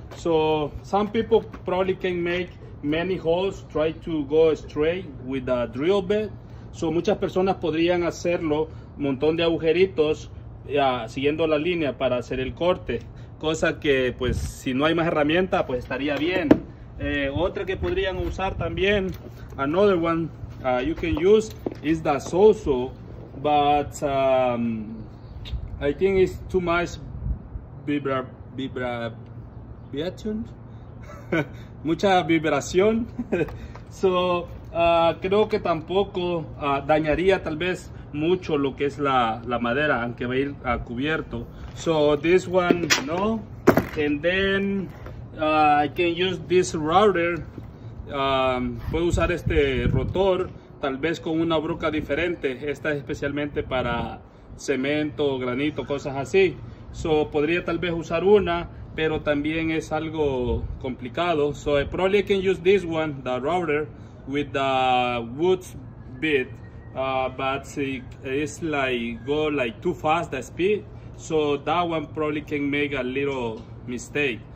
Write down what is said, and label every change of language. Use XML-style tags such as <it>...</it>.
<en>So some people probably can make many holes, try to go straight with the drill bit.</en> <es>So muchas personas podrían hacerlo, montón de agujeritos, siguiendo la línea para hacer el corte, cosa que pues si no hay más herramienta pues estaría bien. Otra que podrían usar también,</es> <en>another one you can use is the sawzall, but I think it's too much vibration,</en> <es>mucha vibración. So creo que tampoco dañaría tal vez mucho lo que es la madera, aunque va a ir cubierto.</es> <en>So this one, no. And then I can use this router.</en> <es>Puedo usar este rotor, tal vez con una broca diferente. Esta es especialmente para cemento, granito, cosas así. So podría tal vez usar una, pero también es algo complicado.</es> <en>So I probably can use this one, the router, with the wood bit. But it's like go like too fast the speed, so that one probably can make a little mistake.</en>